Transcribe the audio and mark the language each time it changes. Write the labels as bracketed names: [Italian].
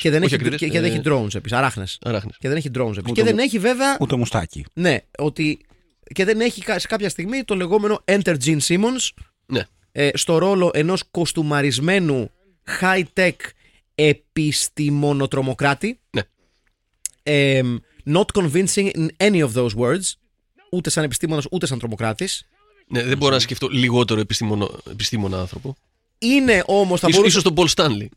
[Greek] Και δεν έχει drones επίσης. Αράχνες. Και δεν έχει drones επίσης. Και δεν έχει βέβαια. Ούτε μουστάκι. Ναι, ότι. Και δεν έχει σε κάποια στιγμή το λεγόμενο Enter Gene Simmons στο ρόλο ενός κοστουμαρισμένου high-tech επιστημονοτρομοκράτη. Ναι. [English] Not convincing in any of those words. [Greek] Ούτε σαν επιστήμονας, ούτε σαν τρομοκράτης. Ναι, δεν μπορώ να σκεφτώ λιγότερο επιστήμονα άνθρωπο. Είναι όμως. Ίσως τον Paul Stanley.